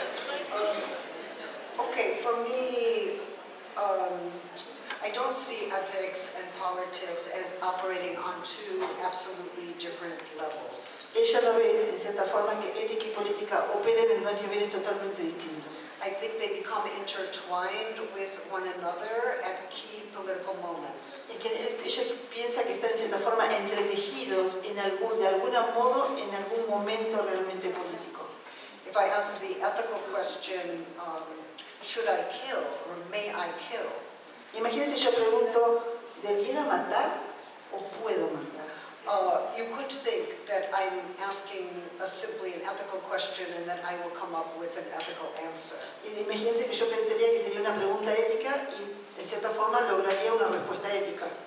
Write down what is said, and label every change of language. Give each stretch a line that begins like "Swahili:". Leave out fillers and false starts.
English: for me, I don't see ethics and politics as operating on two absolutely different levels.
Spanish: Ella lo ve en cierta forma que ética y política operan en dos niveles totalmente distintos.
English: I think they become intertwined with one another at key political moments.
Spanish: Y que ella piensa que están en cierta forma entretejidos en algún, de algún modo en algún momento realmente político.
English: If I ask the ethical question, should I kill or may I kill?
Spanish: Imagínense, yo pregunto, ¿debiera matar o puedo matar?
English: You could think that I'm asking a simply an ethical question and that I will come up with an ethical answer.
Spanish: Imagínense que yo pensaría que sería una pregunta ética y en cierta forma lograría una respuesta ética.